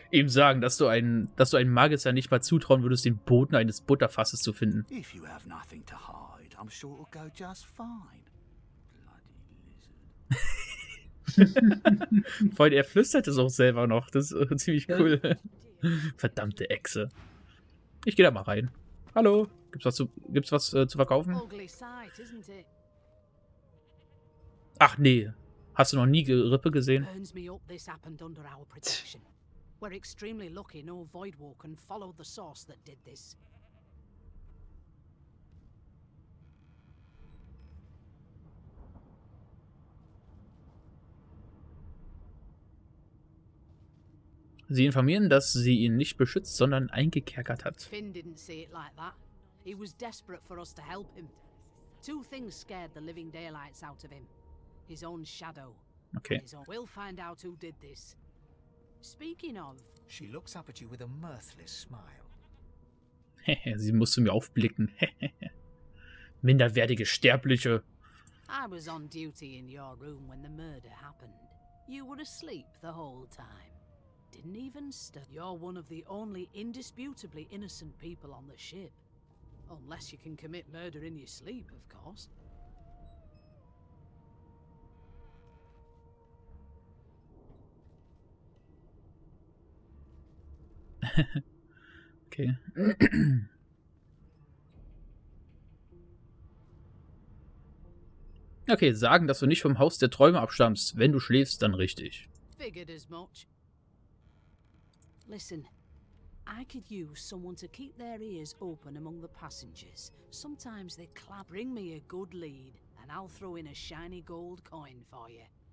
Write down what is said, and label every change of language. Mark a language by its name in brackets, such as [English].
[German] Ihm sagen, dass du einem Magister nicht mal zutrauen würdest, den Boden eines Butterfasses zu finden. [English] If you have nothing to hide, I'm sure it'll go just fine. Bloody lizard. [German] Vor allem, er flüstert es auch selber noch. Das ist ziemlich cool. Verdammte Echse. Ich geh da mal rein. Hallo. Gibt's was zu verkaufen? [English] Ugly sight, isn't it? [German] Ach nee, hast du noch nie Gerippe gesehen? [English] Burns me up, this happened under our protection. We're extremely lucky no Voidwalker can follow the source that did this. [German] Sie informieren, dass sie ihn nicht beschützt, sondern eingekerkert hat. [English] Finn didn't see it like that. He was desperate for us to help him. Two things scared the living daylights out of him. His own shadow. Okay. We'll find out who did this. Speaking of. She looks up at you with a mirthless smile. [German] Sie musste mir aufblicken. Minderwertige Sterbliche. [English] I was on duty in your room when the murder happened. You were asleep the whole time. Didn't even stir. You're one of the only indisputably innocent people on the ship. Unless you can commit murder in your sleep, of course. Okay. [German] Okay, sagen, dass du nicht vom Haus der Träume abstammst. Wenn du schläfst, dann richtig. [English] Figured as much. Listen, I could use someone to keep their ears open among the passengers. Sometimes they clap. Bring me a good lead and I'll throw in a shiny gold coin for you.